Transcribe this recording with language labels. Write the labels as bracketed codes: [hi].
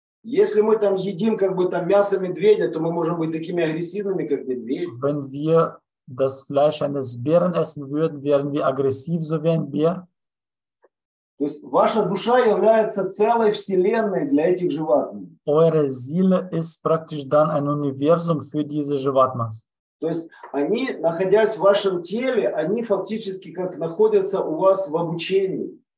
[ru] Если мы там едим как бы там мясо медведя, то мы можем быть такими агрессивными, как медведь. [de] Wenn wir das Fleisch eines Bären essen würden, wären wir aggressiv, so wie ein Bär. [ru] То есть ваша душа является целой вселенной для этих животных. [de] Eure Seele ist praktisch dann ein Universum für diese [ru] животных. То есть они, находясь в вашем теле, они фактически как находятся у вас в обучении.